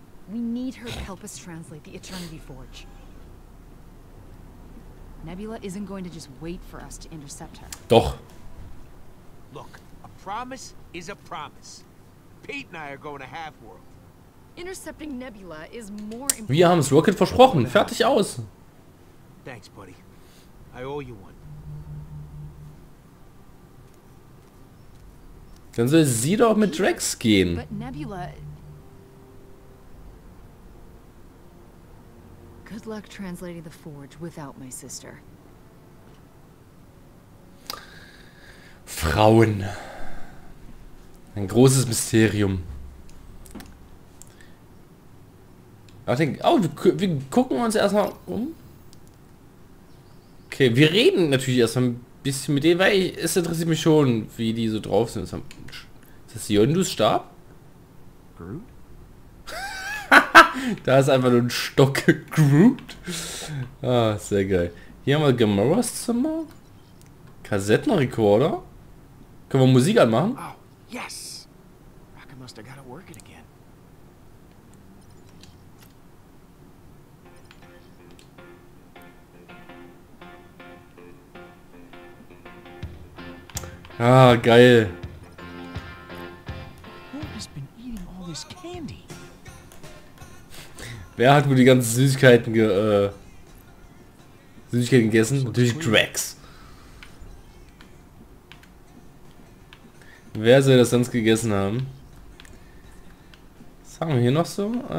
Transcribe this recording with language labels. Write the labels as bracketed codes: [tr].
[en] We need her to help us translate the Eternity Forge. Nebula isn't going to just wait for us to intercept her. [de] Doch. [en] Look, a promise is a promise. Pete and I are going to Half-World. Intercepting Nebula is more important. [de] Wir haben's Rocket versprochen. Fertig aus. [en] Thanks, buddy. I owe you one. [de] Dann soll sie doch mit Drax gehen. Nebula. [en] Good luck translating the forge without my sister. [de] Frauen. Ein großes Mysterium. Ach, wir gucken uns erstmal um. Okay, wir reden natürlich erstmal ein bisschen mit denen, weil es interessiert mich schon, wie die so drauf sind. Ist das Yondus Stab? Groot? Da ist einfach nur ein Stock Groot. Ah, sehr geil. Hier haben wir Gamoras Zimmer. Kassettenrekorder. Können wir Musik anmachen? [en] Oh, yes! Rocket must have got it working again. [de] Ah, geil. [en] Who has been eating all this candy? [de] Wer hat wohl die ganzen Süßigkeiten Süßigkeiten gegessen? Natürlich Drax. Wer soll das sonst gegessen haben? Was haben wir hier noch so?